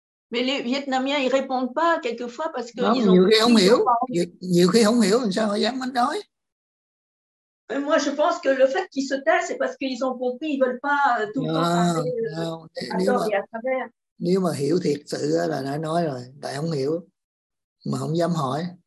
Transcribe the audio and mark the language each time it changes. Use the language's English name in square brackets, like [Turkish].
[French] Mais les Vietnamiens ils répondent pas quelquefois parce que ils ont [Vietnamese] không hiểu. Nhiều khi không hiểu làm sao họ dám nói. [French] Et moi je pense que le fait qu'ils se taisent c'est parce qu'ils ont compris, ils veulent pas tout le temps parler. [Vietnamese] Nếu mà, nếu mà hiểu thiệt sự là đã nói rồi, tại không hiểu mà không dám hỏi.